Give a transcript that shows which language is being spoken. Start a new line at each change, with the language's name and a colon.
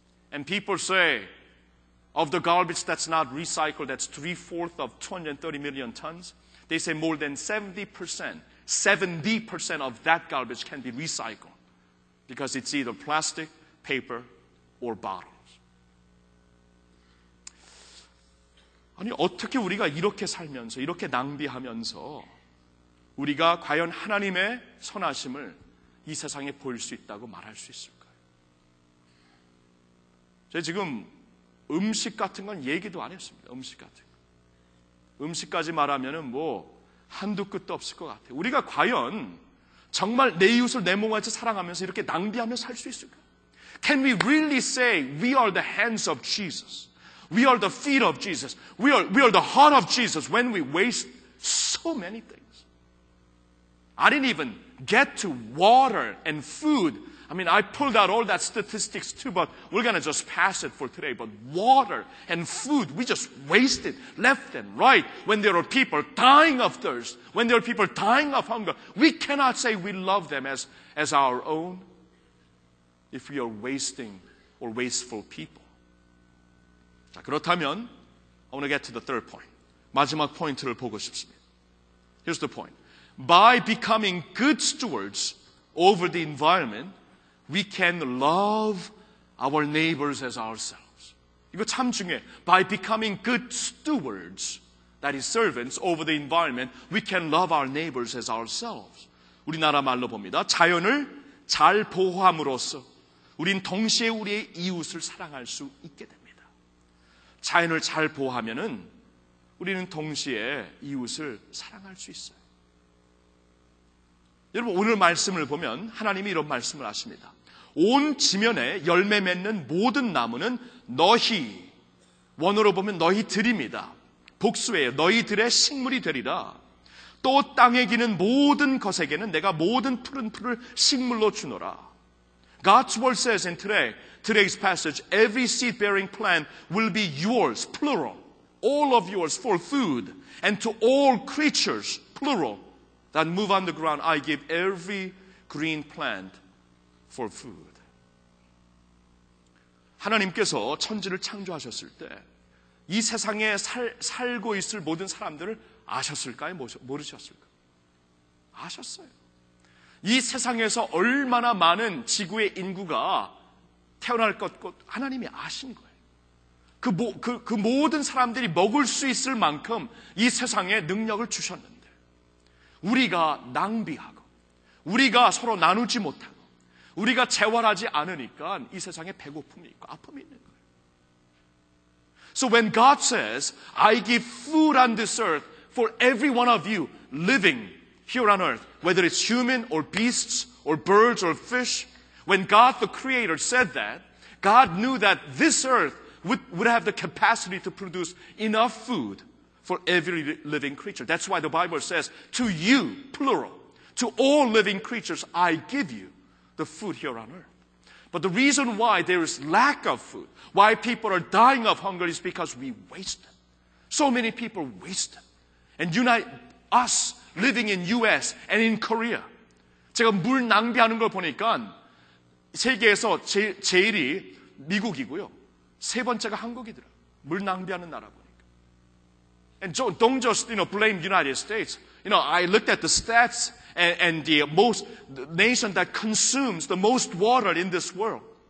English: And people say, of the garbage that's not recycled, that's three-fourths of 230 million tons, they say more than 70% of that garbage can be recycled because it's either plastic, paper, or bottle.
Korean: 아니, 어떻게 우리가 이렇게 살면서, 이렇게 낭비하면서 우리가 과연 하나님의 선하심을 이 세상에 보일 수 있다고 말할 수 있을까요? 제가 지금 음식 같은 건 얘기도 안 했습니다. 음식 같은 거. 음식까지 말하면 뭐 한두 끝도 없을 것 같아요. 우리가 과연 정말 내 이웃을 내 몸같이 사랑하면서 이렇게 낭비하며 살 수 있을까요?
English: Can we really say we are the hands of Jesus? We are the feet of Jesus. We are the heart of Jesus when we waste so many things. I didn't even get to water and food. I mean, I pulled out all that statistics too, but we're going to just pass it for today. But water and food, we just wasted left and right when there are people dying of thirst, when there are people dying of hunger. We cannot say we love them as our own if we are wasting or wasteful people.
Korean: 자, 그렇다면,
English: I want to get to the third point.
Korean: 마지막 포인트를 보고 싶습니다.
English: Here's the point. By becoming good stewards over the environment, we can love our neighbors as ourselves.
Korean: 이거 참 중요해.
English: By becoming good stewards, that is servants, over the environment, we can love our neighbors as ourselves.
Korean: 우리나라 말로 봅니다. 자연을 잘 보호함으로써 우린 동시에 우리의 이웃을 사랑할 수 있게 됩니다. 자연을 잘 보호하면은 우리는 동시에 이웃을 사랑할 수 있어요. 여러분 오늘 말씀을 보면 하나님이 이런 말씀을 하십니다. 온 지면에 열매 맺는 모든 나무는 너희, 원어로 보면 너희들입니다. 복수예요. 너희들의 식물이 되리라. 또 땅에 기는 모든 것에게는 내가 모든 푸른 풀을 식물로 주노라.
English: God's word says in today's passage, every seed-bearing plant will be yours, plural. All of yours for food and to all creatures, plural. That move on the ground, I give every green plant for food.
Korean: 하나님께서 천지를 창조하셨을 때 이 세상에 살고 있을 모든 사람들을 아셨을까요? 모르셨을까요? 아셨어요. 이 세상에서 얼마나 많은 지구의 인구가 태어날 것과 하나님이 아신 거예요. 그 모든 사람들이 먹을 수 있을 만큼 이 세상에 능력을 주셨는데 우리가 낭비하고 우리가 서로 나누지 못하고 우리가 재활하지 않으니까 이 세상에 배고픔이 있고 아픔이 있는 거예요.
English: So when God says, I give food on this earth for every one of you living here on earth, whether it's human or beasts or birds or fish, when God the Creator said that, God knew that this earth would have the capacity to produce enough food for every living creature. That's why the Bible says, to you, plural, to all living creatures, I give you the food here on earth. But the reason why there is lack of food, why people are dying of hunger is because we waste it. So many people waste it. And unite us living in US and in Korea.
Korean: 제가 물 낭비하는 걸 보니까 세계에서 제일이 미국이고요. 세 번째가 한국이더라고요. 물 낭비하는 나라고.
English: And don't just, you know, blame United States. You know, I looked at the stats and the most the nation that consumes the most water in this world.